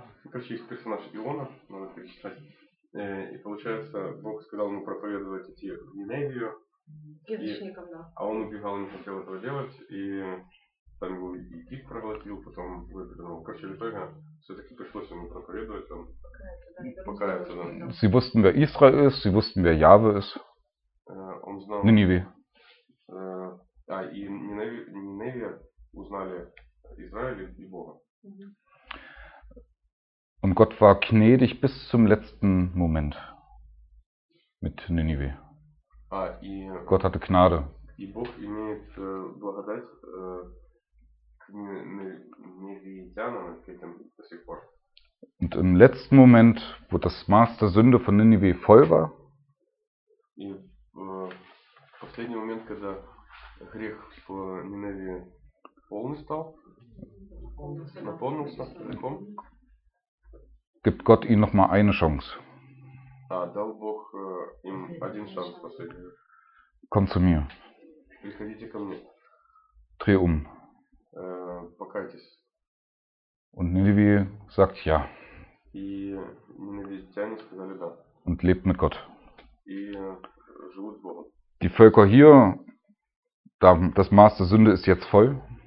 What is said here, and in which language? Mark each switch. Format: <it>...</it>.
<ru>Короче, есть персонаж Иона, надо перечитать. И получается, Бог сказал ему проповедовать эти Ниневию. Язычникам, да. А он убегал, не хотел этого делать. И там его Египет проглотил, потом выпрыгнул. Короче, в итоге все-таки пришлось ему проповедовать, он покаяться. Да.</ru> <de>Sie wussten, wer Israel ist, sie wussten, wer Jahwe ist.</de> <ru>Он знал Ниневи. И Ниневия узнали Израиль и Бога.</ru> <de>Und Gott war gnädig bis zum letzten Moment mit Ninive. Gott hatte Gnade.</de> <ru>И Бог имеет благодать к ниневитянам до сих пор.</ru> <de>Und im letzten Moment, wo das Maß der Sünde von Ninive voll war,</de> <ru>и в последний момент, когда грех в Ниневе полный стал, наполнился грехом.</ru> <de>Gibt Gott ihnen noch mal eine Chance.</de> <ru>А, дал Бог им один шанс последний.</ru> <de>Komm zu mir.</de> <ru>Приходите ко мне.</ru> <de>Dreh um.</de> <ru>Покайтесь.</ru> <de>Und Ниневе sagt ja.</de> <ru>И ниневитяне сказали да.</ru> <de>Und lebt mit Gott.</de> <ru>И живут с Богом.</ru> <de>Die Völker hier, das Maß der Sünde ist jetzt voll.</de>